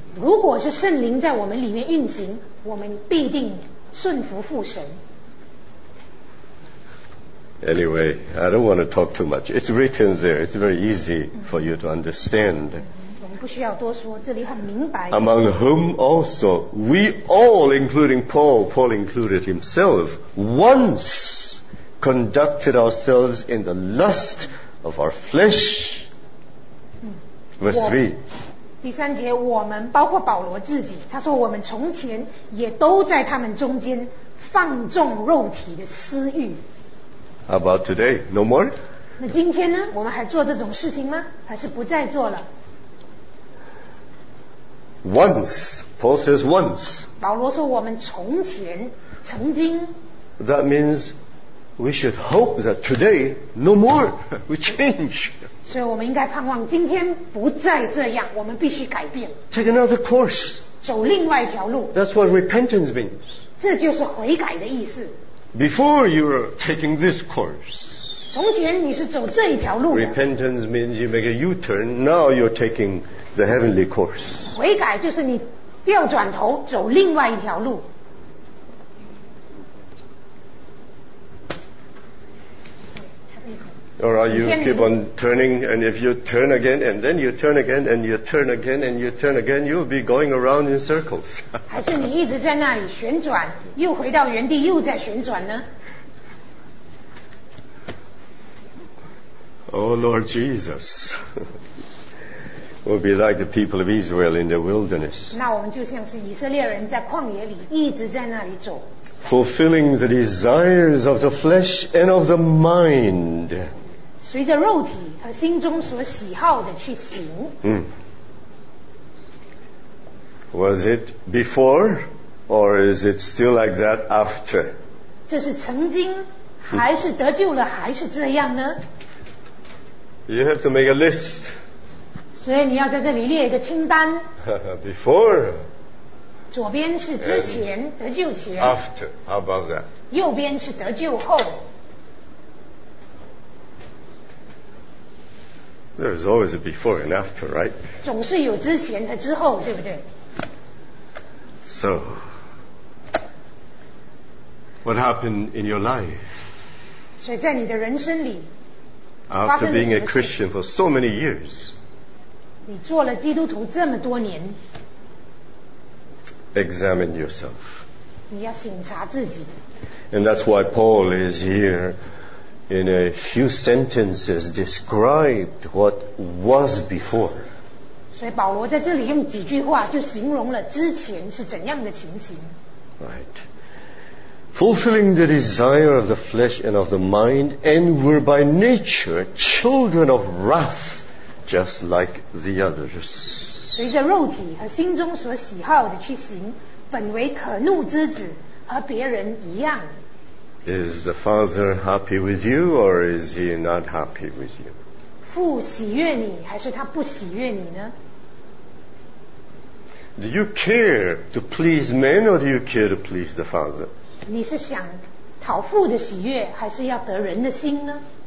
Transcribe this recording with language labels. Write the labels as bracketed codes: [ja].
[zh] 如果是圣灵在我们里面运行，我们必定顺服父神。 [en] Anyway, I don't want to talk too much. It's written there. It's very easy for you to understand. [zh] 我们不需要多说，这里很明白。 [en] Among whom also, we all, including Paul included himself, once conducted ourselves in the lust of our flesh. Verse 3. [zh] 第三节，我们包括保罗自己，他说我们从前也都在他们中间放纵肉体的私欲。 [en] How about today? No more? [zh] 那今天呢？我们还做这种事情吗？还是不再做了？ [en] Once, Paul says once. [zh] 保罗说我们从前，曾经。 [en] That means we should hope that today, no more, we change. [zh] 所以我们应该盼望今天不再这样，我们必须改变。 [en] Take another course. [zh] 走另外一条路。 [en] That's what repentance means. [zh] 这就是悔改的意思。 [en] Before you were taking this course, [zh] 从前你是走这一条路。 [en] Repentance means you make a U-turn. Now you're taking the heavenly course. [zh] 悔改就是你调转头走另外一条路。 [en] Or are you keep on turning, and if you turn again, and then you turn again, and you turn again, and you turn again, you'll be going around in circles. [zh] 还是你一直在那里旋转，又回到原地，又在旋转呢？ [en] Oh Lord Jesus, we'll be like the people of Israel in the wilderness. [zh] 那我们就像是以色列人在旷野里一直在那里走。 [en] fulfilling the desires of the flesh and of the mind. [zh] 随着肉体和心中所喜好的去行。 [en] Was it before, or is it still like that after? [zh] 这是曾经还是得救了还是这样呢？ [en] You have to make a list. [zh] 所以你要在这里列一个清单。 [en] Before. [zh] 左边是之前得救前。 [en] After, how about that? [zh] 右边是得救后。 [en] There is always a before and after, right? [zh] 总是有之前和之后，对不对？ [en] So, what happened in your life? [zh] 所以在你的人生里 [en] After being a Christian for so many years, [zh] 你做了基督徒这么多年 [en] Examine yourself. [zh] 你要省察自己 [en] And that's why Paul is here in a few sentences described what was before. [zh] 所以保罗在这里用几句话就形容了之前是怎样的情形。 [en] Right. Fulfilling the desire of the flesh and of the mind, and were by nature children of wrath, just like the others. [zh] 随着肉体和心中所喜好的去行，本为可怒之子，和别人一样。 [en] Is the father happy with you, or is he not happy with you? [zh] 父喜悦你还是他不喜悦你呢？ [en] Do you care to please men or do you care to please the Father? [zh] 你是想讨父的喜悦还是要得人的心呢？